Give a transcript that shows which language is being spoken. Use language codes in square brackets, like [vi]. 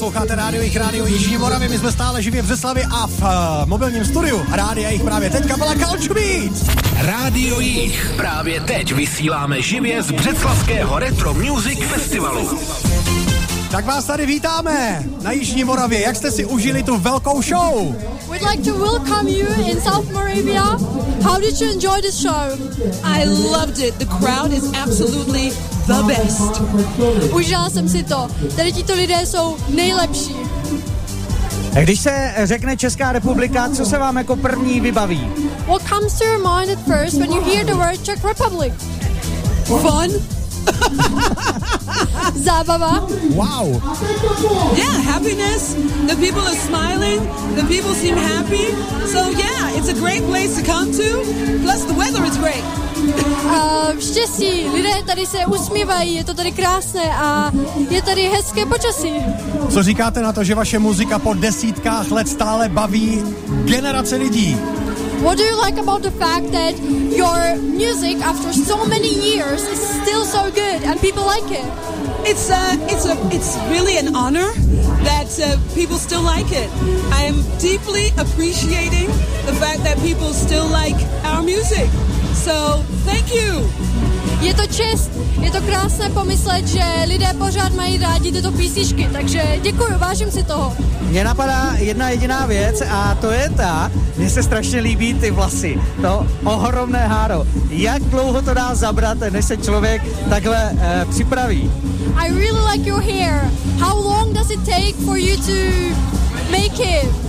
[cs] Posloucháte rádiových rádio Jižní Moravy, my jsme stále živě v Břeclavi a v mobilním studiu. Rádia Jich právě teď kapela Culture Beat. Rádio Jich právě teď vysíláme živě z Břeclavského Retro Music Festivalu. Tak vás tady vítáme na Jižní Moravě. Jak jste si užili tu velkou show? [en] We'd like to welcome you in South Moravia. How did you enjoy this show? I loved it. The crowd is absolutely the best. [cs] Užila jsem si to. Tady tito lidé jsou nejlepší. A když se řekne Česká republika, co se vám jako první vybaví? [en] What comes to your mind at first when you hear the word Czech Republic? Fun. [cs] Zábava. [en] Wow. Yeah, happiness. The people are smiling. The people seem happy. So yeah, it's a great place to come to. Plus the weather is great. [cs] Štěstí. Lidé tady se usmívají. Je to tady krásné a je tady hezké počasí. Co říkáte na to, že vaše muzika po desítkách let stále baví generace lidí? [en] What do you like about the fact that your music, after so many years, is still so good and people like it? It's really an honor that people still like it. I am deeply appreciating the fact that people still like our music. So, thank you. [cs] Je to čest, je to krásné pomyslet, že lidé pořád mají rádi tyto písničky, takže děkuju, vážím si toho. Mně napadá jedna jediná věc a to je ta, mně se strašně líbí ty vlasy, to ohromné háro. Jak dlouho to dá zabrat, než se člověk takhle připraví? [en] I really like your hair. How long does it take for you to make it?